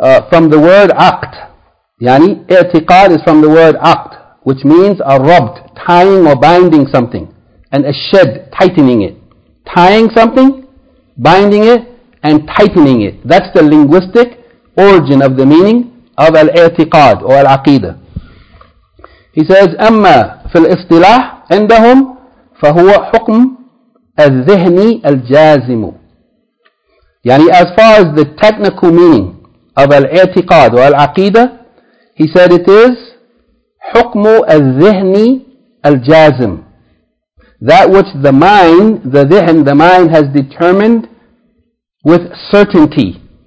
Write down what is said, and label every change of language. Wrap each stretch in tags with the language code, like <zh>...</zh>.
<en>From the word aqd. Yani i'tiqad is from the word aqd, which means a rabt, tying or binding something. And a shed, tightening it. Tying something, binding it, and tightening it. That's the linguistic origin of the meaning of al-i'tiqad or al-aqidah. He says,</en> <ar>أَمَّا فِي الْإِصْطِلَاحِ عِنْدَهُمْ فَهُوَ حُكْمُ الذِّهْنِ الْجَازِمُ.</ar> <en>Yani as far as the technical meaning of al-i'tiqad or al-aqidah, he said it is</en> <ar>حُكْمُ الذِّهْنِ الْجَازِمُ.</ar> <en>That which the mind, the dhihn, the mind has determined with certainty.</en>